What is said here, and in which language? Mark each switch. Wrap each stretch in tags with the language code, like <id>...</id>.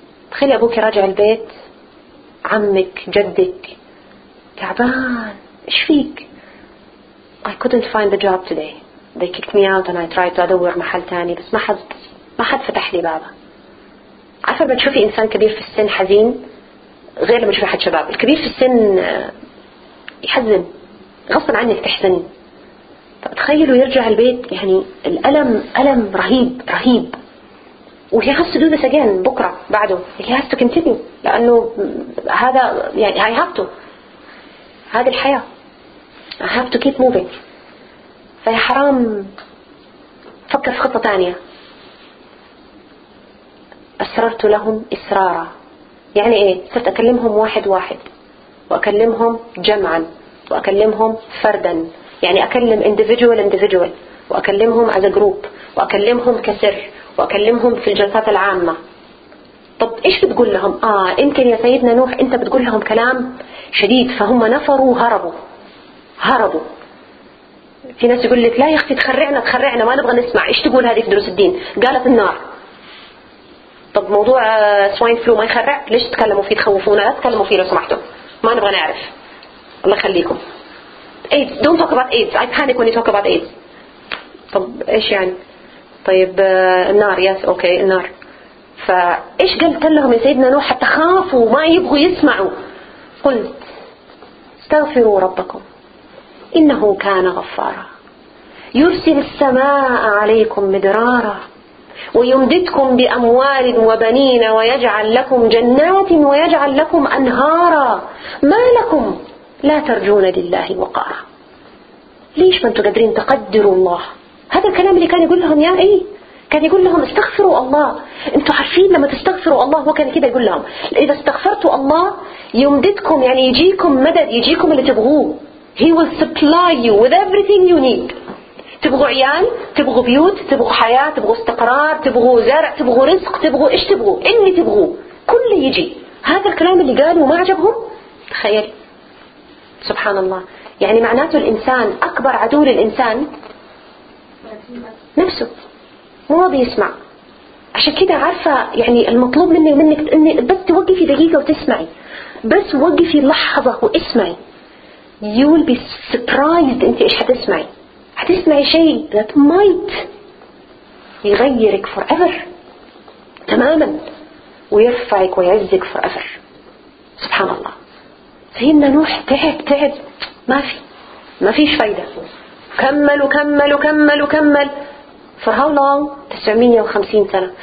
<ar>تخيلي أبوكي راجع البيت عمك جدك تعبان إيش فيك؟</ar> <en>I couldn't find the job today. They kicked me out and I tried to</en> <ar>أدور محل تاني بس ما حد فتح لي بابه. عارفة لما تشوفي إنسان كبير في السن حزين غير لما تشوفي حد شباب. الكبير في السن يحزن غصب عنك تحزني. تخيلوا يرجع البيت يعني الألم ألم رهيب رهيب وهي</ar> <en>has to do this again</en> <ar>بكرة بعده</ar> <en>he has to continue</en> <ar>لأنه هذا يعني</ar> <en>I have to</en> <ar>هذه الحياة</ar> <en>I have to keep moving.</en> <ar>فهي حرام فكر في خطة تانية. أسررت لهم إسرارا يعني إيه؟ صرت أكلمهم واحد واحد وأكلمهم جمعا وأكلمهم فردا يعني أكلم individual وأكلمهم</ar> <en>as a group</en> <ar>وأكلمهم كسر وأكلمهم في الجلسات العامة. طب إيش بتقول لهم؟ يمكن يا سيدنا نوح أنت بتقول لهم كلام شديد فهم نفروا هربوا. في ناس يقول لك لا يا أختي تخرعنا ما نبغى نسمع. إيش تقول هذه في دروس الدين؟ قالت النار. طب موضوع سوين فلو ما يخرع ليش تكلموا فيه تخوفونا؟ لا تكلموا فيه لو سمحتم ما نبغى نعرف الله يخليكم.</ar> <en>AIDS don't talk about AIDS I panic when you talk about AIDS.</en> <ar>طب ايش يعني؟ طيب النار</ar> <en>yes okay</en> <ar>النار. فايش قلت لهم يا سيدنا نوح حتى خافوا ما يبغوا يسمعوا؟ قلت استغفروا ربكم انه كان غفارا يرسل السماء عليكم مدرارا ويمددكم بأموال وبنين ويجعل لكم جنات ويجعل لكم أنهارا ما لكم لا ترجون لله وقارا. ليش ما أنتم قادرين تقدروا الله؟ هذا الكلام اللي كان يقول لهم كان يقول لهم استغفروا الله. أنتم عارفين لما تستغفروا الله هو كان كده يقول لهم إذا استغفرتوا الله يمددكم يعني يجيكم مدد يجيكم اللي تبغوه.</ar> <en>He will supply you with everything you need.</en> <ar>تبغوا عيال تبغوا بيوت تبغوا حياة تبغوا استقرار تبغوا زرع تبغوا رزق تبغوا إيش تبغوا إني تبغوا كل يجي. هذا الكلام اللي قالوا ما عجبهم. تخيل سبحان الله يعني معناته الإنسان أكبر عدو للإنسان نفسه مو راضي يسمع. عشان كده عارفة يعني المطلوب مني ومنك إني بس توقفي دقيقة وتسمعي بس وقفي لحظة واسمعي.</ar> <en>You will be surprised</en> <ar>أنت إيش هتسمعي. هتسمعي شيء</ar> <en>that might</en> <ar>يغيرك forever تماما. ويرفعك ويعزك forever. سبحان الله. سيدنا نوح تعب تعب ما في ما فيش فايدة. كمل وكمل وكمل وكمل</ar> <en>for how long؟</en> <ar>950 سنة.</ar>